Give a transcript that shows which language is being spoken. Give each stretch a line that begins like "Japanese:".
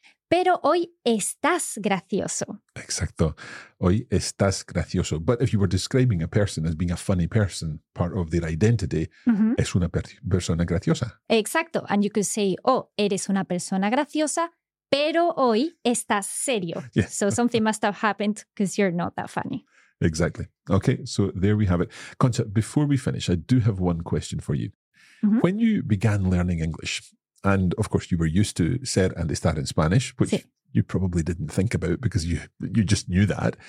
Spanish: Pero hoy estás gracioso. Exacto. Hoy estás gracioso.
English: But if you were describing a person as being a funny person, part of their identity, mm-hmm.
Spanish: es una persona graciosa. Exacto. And you could say, oh, eres una persona graciosa, pero hoy estás serio.
English: Yeah. So something must have happened because you're not that funny. Exactly. Okay, so there we have it. Concha, before we finish, I do have one question for you. Mm-hmm. When you began learning English, and of course you were used to ser and estar in Spanish, which sí. You probably didn't think about because you just knew that.